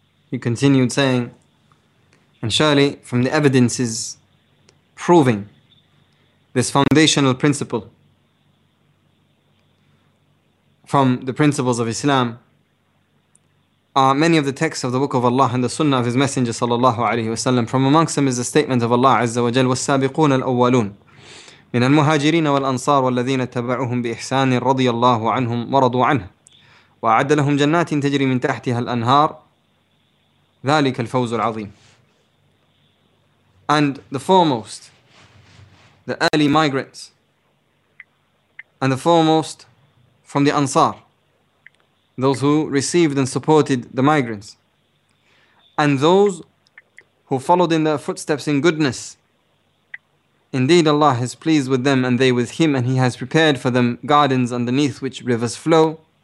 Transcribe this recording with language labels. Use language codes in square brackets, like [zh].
[en] He continued saying, and surely from the evidences proving this foundational principle, from the principles of Islam, are many of the texts of the Book of Allah and the Sunnah of His Messenger sallallahu alaihi wasallam. From amongst them is the statement of Allah Azza wa Jalla, [ar] والسابقون الأولون من المهاجرين والأنصار والذين تبعوهم بإحسان رضي الله عنهم ورضوا عنه وأعد لهم جنات تجري من تحتها الأنهار ذلك الفوز العظيم. [en] And the foremost, the early migrants, and the foremost from the Ansar, those who received and supported the migrants, and those who followed in their footsteps in goodness, indeed Allah is pleased with them and they with Him, and He has prepared for them gardens underneath which rivers flow.